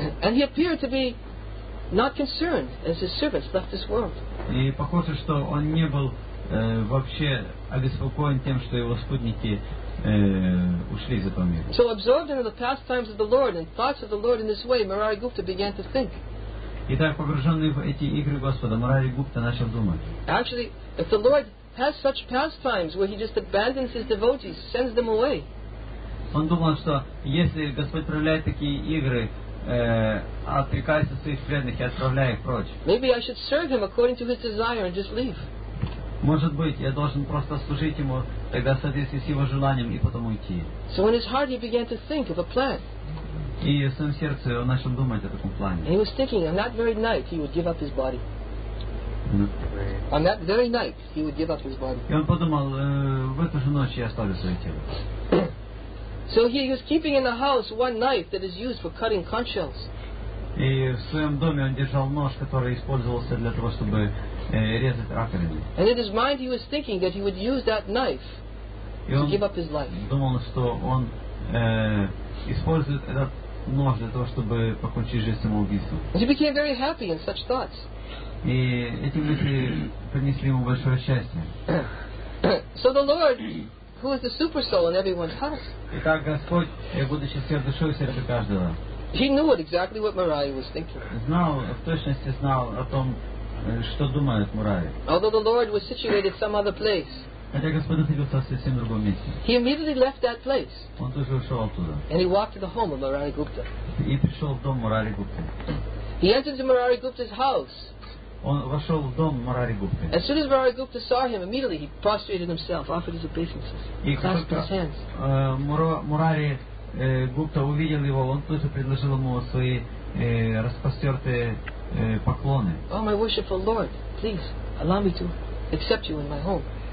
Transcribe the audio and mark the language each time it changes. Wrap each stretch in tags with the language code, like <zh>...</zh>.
<en>And he appeared to be not concerned as his servants left this world.</en> <ru>И похоже, что он не был вообще обеспокоен тем, что его спутники ушли из этого мира.</ru> <en>So absorbed in the pastimes of the Lord and thoughts of the Lord in this way, Murari Gupta began to think.</en> <ru>Итак, погруженный в эти игры Господа, Мурари Гупта начал думать.</ru> <en>Actually, if the Lord has such pastimes where he just abandons his devotees, sends them away.</en> <ru>Он думал, что если Господь проявляет такие игры, отрекается своих преданных и отправляя их прочь.</ru> <en>Maybe I should serve him according to his desire and just leave.</en> <ru>Может быть, я должен просто служить ему тогда в соответствии с его желанием и потом уйти.</ru> <en>So in his heart he began to think of a plan.</en> <ru>И в своем сердце он начал думать о таком плане.</ru> <en>And he was thinking, on that very night he would give up his body. Mm-hmm. On that very night he would give up his body.</en> <ru>И он подумал, в эту же ночь я оставлю свое тело.</ru> <en>So he was keeping in the house one knife that is used for cutting conch shells.</en> <ru>И в своем доме он держал нож, который использовался для того, чтобы резать раковины.</ru> <en>And in his mind he was thinking that he would use that knife to give up his life.</en> <ru>Думал, что он использует этот нож для того, чтобы покончить жизнь самоубийством.</ru> <en>And he became very happy in such thoughts.</en> <ru>И эти мысли принесли ему большое счастье.</ru> <en>So the Lord, who is the super soul in everyone's heart.</en> <ru>Итак, Господь, будучи сердцем и сердцем каждого.</ru> <en>He knew exactly what Murari was thinking.</en> <ru>Знал, в точности знал о том, что думает Мурари.</ru> <en>Although the Lord was situated some other place.</en> <ru>Хотя Господь находился в совсем другом месте.</ru> <en>He immediately left that place.</en> <ru>Он тут же ушел оттуда.</ru> <en>And he walked to the home of Murari Gupta.</en> <ru>И пришел в дом Мурари Гупты.</ru> <en>He entered to Murari Gupta's house.</en> <ru>Он вошел в дом Мурари Гупты.</ru> <en>As soon as Murari Gupta saw him, immediately he prostrated himself, offered his obeisances, clasped his hands.</en> <ru>Мурари Гупта увидел его, он тут же предложил ему свои распростертые поклоны.</ru> <en>Oh, my worshipful Lord, please allow me to accept you in my home.</en>